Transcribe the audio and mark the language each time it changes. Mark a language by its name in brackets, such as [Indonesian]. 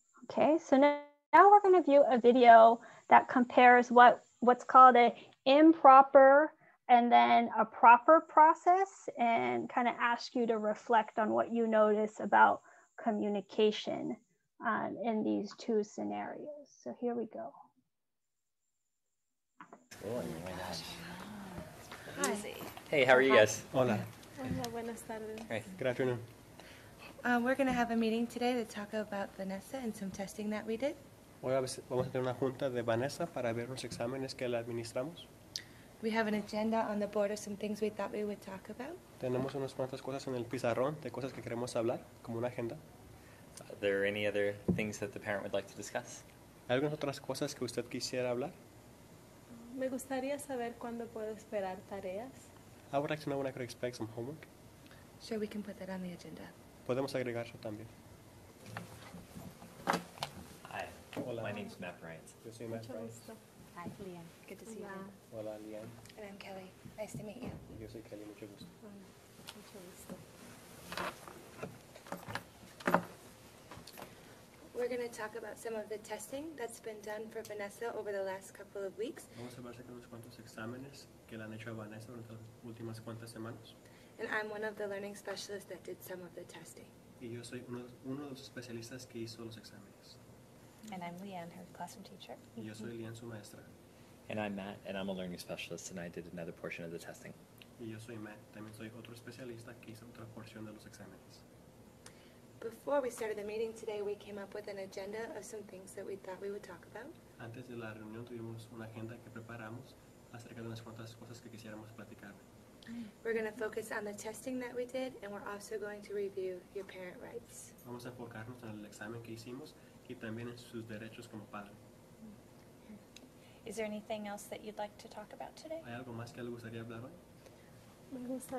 [English] Okay, so now we're gonna view a video that compares what's called an improper and then a proper process, and kind of ask you to reflect on what you notice about communication in these two scenarios. So here we go. Oh my gosh. Hi. Hey, how are you guys? [Spanish] Hola. Hola, buenas tardes. [English] Good afternoon. We're gonna have a meeting today to talk about Vanessa and some testing that we did. [Spanish] Vamos a tener una junta de Vanessa para ver los exámenes que le administramos. [English] We have an agenda on the board of some things we thought we would talk about. [Spanish] Tenemos unas cuantas cosas en el pizarrón de cosas que queremos hablar, como una agenda. [English] Are there any other things that the parent would like to discuss? [Spanish] ¿Algunas otras cosas que usted quisiera hablar? Me gustaría saber cuándo puedo esperar tareas. [English] I would like to know when I could expect some homework. Sure, we can put that on the agenda. [Spanish] Podemos agregar eso también. [English] Hi. [Spanish] Hola. [English] My name's Matt Bryant. [Spanish] Yo soy Matt Bryant. [English] Hi, Leanne. Good to see you. [Spanish] Hola, Leanne. [English] And I'm Kelly. Nice to meet you. [Spanish] Yo soy Kelly. Mucho gusto. Mucho gusto. [English] We're going to talk about some of the testing that's been done for Vanessa over the last couple of weeks. [Spanish] Vamos a hablar sobre unos cuantos exámenes que le han hecho a Vanessa durante las últimas cuantas semanas. [English] And I'm one of the learning specialists that did some of the testing. [Spanish] Y yo soy uno de los especialistas que hizo los exámenes. [English] And I'm Leanne, her classroom teacher. [Spanish] Y yo soy Leanne, su maestra. [English] And I'm Matt, and I'm a learning specialist, and I did another portion of the testing. [Spanish] Y yo soy Matt, también soy otro especialista que hizo otra porción de los exámenes. [English] Before we started the meeting today, we came up with an agenda of some things that we thought we would talk about. [Spanish] Antes de la reunión tuvimos una agenda que preparamos acerca de unas cuantas cosas que quisiéramos platicar. [English] We're going to focus on the testing that we did, and we're also going to review your parent rights. [Spanish] Vamos a enfocarnos en el examen que hicimos y también en sus derechos como padre. [English] Is there anything else that you'd like to talk about today? [Spanish] ¿Hay algo más que le gustaría hablar hoy?